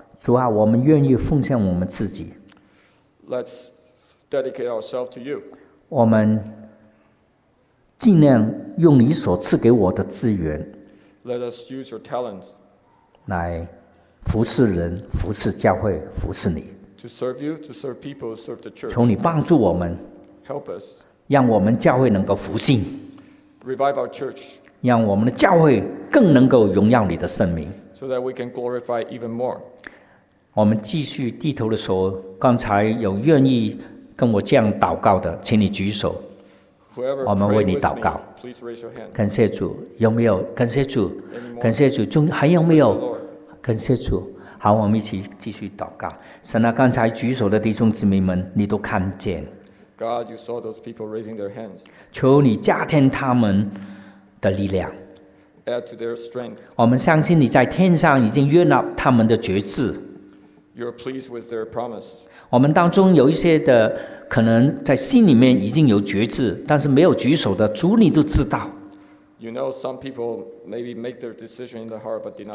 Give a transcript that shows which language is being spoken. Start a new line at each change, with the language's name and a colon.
Chinese: 主啊，我们愿意奉献我们自己。
English: Let's dedicate ourselves to you.
Chinese: 我们尽量用你所赐给我的资源。
English: Let us use your talents.
Chinese: 来服侍人，服侍教会，服侍你。
English: To serve you, to serve people, serve the church.
Chinese: 求你帮助我们。
English: Help us.
Chinese: 让我们教会能够复兴。
English: Revive our church.
Chinese: 让我们的教会更能够荣耀你的圣名。
English: So that we can glorify even more.
Chinese: 我们继续低头的时候，刚才有愿意跟我这样祷告的，请你举手。
English: Whoever、
Chinese: 我们为你祷告。
English: Me, please raise your hand.
Chinese: 感谢主，有没有？感谢主，
English: Anymore?
Chinese: 感谢主，中还有没有？
English: Praise the Lord.
Chinese: 感谢主。好，我们一起继续祷告。神啊，刚才举手的弟兄姊妹们，你都看见。
English: God, you saw those people raising their hands.
Chinese: 求你加添他们的力量。
English: Add to their strength.
Chinese: 我们相信你在天上已经悦纳他们的决志。
English: You're pleased with their promise.
Chinese: 我们当中有一些的可能在心里面已经有决志，但是没有举手的，主你都知道。
English: You know some people maybe make their decision in the heart, but did not.